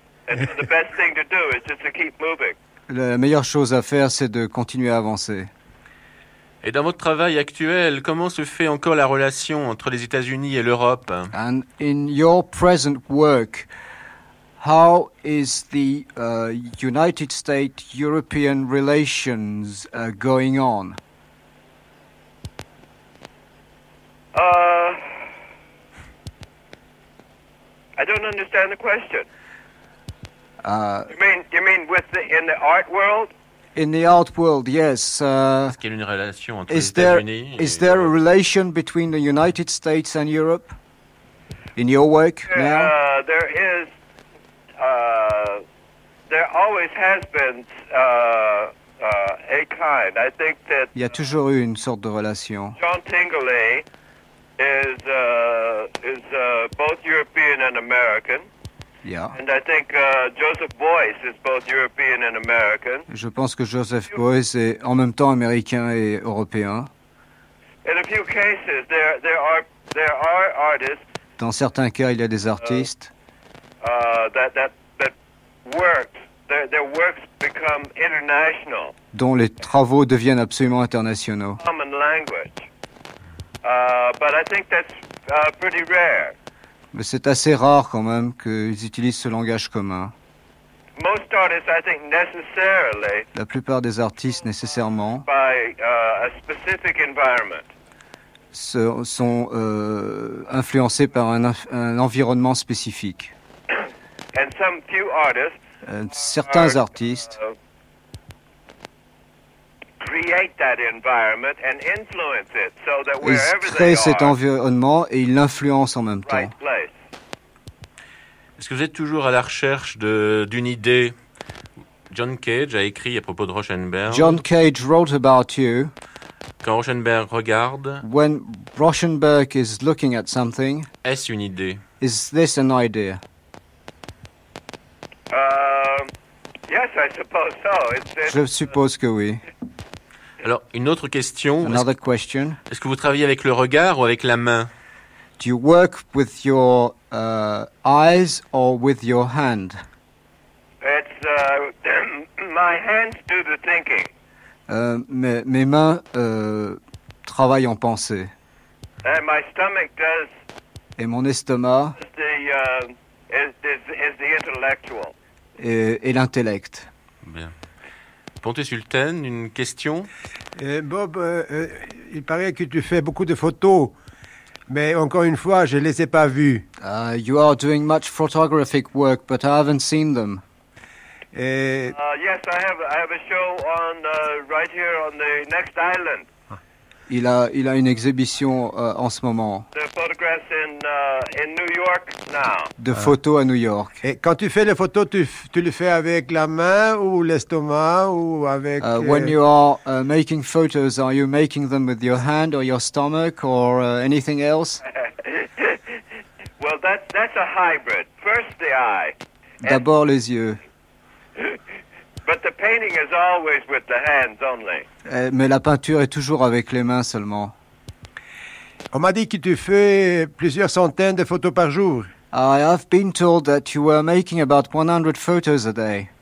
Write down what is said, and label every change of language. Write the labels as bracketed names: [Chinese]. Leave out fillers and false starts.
[English] And the best thing to do is just to keep moving. [French] La meilleure chose à faire, c'est de continuer à avancer. Et dans votre travail actuel, comment se fait encore la relation entre les États-Unis et l'Europe? [English] And in your present work, how is the United States European relations going on? I don't understand the You mean with the, in the art world? In the art world, yes. Is there a relation between the United States and Europe in your work now? There is. There always has been a kind. I think that... [French] Il y a toujours eu une sorte de relation. [English] John Tingley is both European and American. Yeah. And I think Joseph Beuys is both European and American. [French] Je pense que Joseph Beuys est en même temps américain et européen. [English] In a few cases, there are artists. [French] Dans certains cas, il y a des artistes. [English] That worked. Their works become international. [French] Dont les travaux deviennent absolument internationaux. [English] Common language. But I think that's pretty rare. [French] Mais c'est assez rare quand même qu'ils utilisent ce langage commun. [English] Most artists, I think, necessarily, [French] la plupart des artistes, nécessairement, [English] by, a specific environment. [French] Sont influencés par un environnement spécifique. [English] And some few artists, [French] certains artistes [English] create that environment and influence it so that wherever [French] ils créent cet environnement et ils l'influencent en même temps. Est-ce que vous êtes toujours à la recherche d'une idée? John Cage a écrit à propos de Rauschenberg. [English] John Cage wrote about you. [French] Quand Rauschenberg regarde. [English] When Rauschenberg is looking at something. [French] Est-ce une idée? [English] Is this an idea? Yes, I suppose so. [French] Je suppose que oui. Alors, une autre question. [English] Another question. [French] Est-ce que vous travaillez avec le regard ou avec la main? [English] Do you work with your eyes or with your hand? It's my hands do the thinking. [French] Mes mains travaillent en pensée. [English] And my stomach does. [French] Et mon estomac. [English] Is the intellectual. [French] Et l'intellect. Bien. Pontesultaine, une question. Bob, il paraît que tu fais beaucoup de photos. Mais encore une fois, je ne les ai pas vus. [English] You are doing much photographic work, but I haven't seen them. Yes, I have a show on right here on the next island. [French] Il a une exhibition en ce moment. [English] The photographs in New York now. [French] De photos à New York. Et quand tu fais les photos, tu le fais avec la main ou l'estomac ou avec? [English] When you are making photos, are you making them with your hand or your stomach or anything else? Well, that's a hybrid. First the eye. [French] D'abord les yeux. [English] But the painting is always with the hands only. [French] Mais la peinture est toujours avec les mains seulement. On m'a dit que tu fais plusieurs centaines de photos par jour. [English] I have been told that you were making about 100 photos a day.